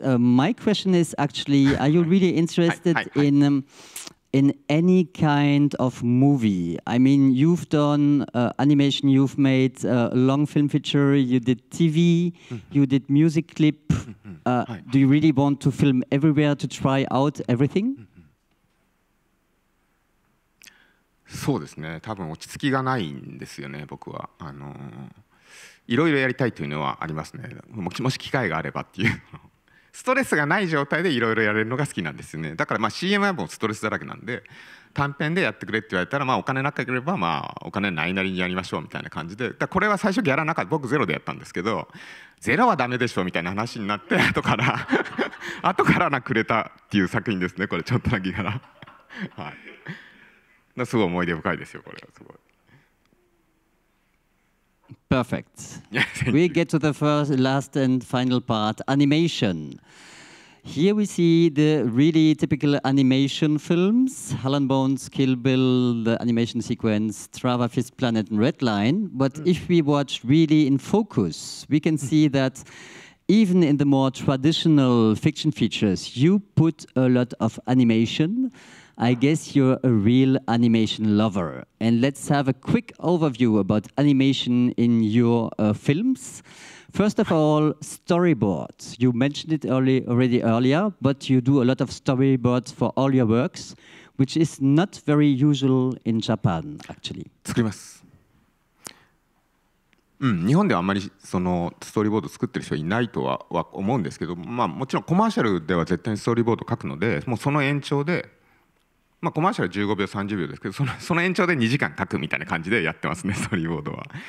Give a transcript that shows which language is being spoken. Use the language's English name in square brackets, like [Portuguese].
[English] My question is actually, are you really interested in any kind of movie? I mean, you've done animation, you've made a long film feature, you did TV, you did music clip. Do you really want to film everywhere to try out everything? [Japanese] そうですね。多分落ち着きがないんですよね、僕は。いろいろやりたいというのはありますね。もし機会があればっていう。ストレスがない状態でいろいろやれるのが好きなんですよね。だからまあ CM はもうストレスだらけなんで、短編でやってくれって言われたら、まあお金なければまあお金ないなりにやりましょうみたいな感じで、だこれは最初ギャラなかった、僕ゼロでやったんですけど、ゼロはダメでしょうみたいな話になって、後からなくれたっていう作品ですね、これちょっとなギャラ。はい、だすごい思い出深いですよ、これはすごい。 [English] Perfect. We get to the first, last and final part, animation. Here we see the really typical animation films, Helen Bones, Kill Bill, the animation sequence, Trava Fist Planet and Red Line. But if we watch really in focus, we can see that even in the more traditional fiction features, you put a lot of animation. I guess you're a real animation lover. And let's have a quick overview about animation in your films. First of all, storyboards. You mentioned it already earlier, but you do a lot of storyboards for all your works, which is not very usual in Japan, actually. [Japanese] 作ります。日本ではあまりそのストーリーボード作ってる人はいないとは思うんですけど、まあもちろんコマーシャルでは絶対にストーリーボード書くので、もうその延長で、まあ、コマーシャル15秒30秒ですけど、その延長で2時間書くみたいな感じでやってますね、ストーリーボードは。